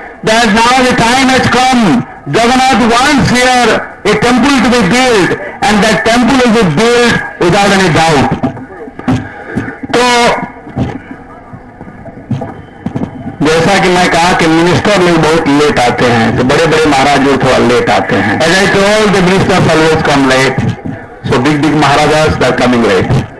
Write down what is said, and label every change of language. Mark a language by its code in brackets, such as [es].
[en] That now the time has come. Jagannath wants here a temple to be built, and that temple will be built without any doubt. [hi] So, जैसा कि मैं कहा कि minister लोग बहुत late आते हैं, तो बड़े-बड़े महाराज जो थोड़ा लेट आते हैं। [en] As I told, the ministers always come late, so big maharajas are coming late.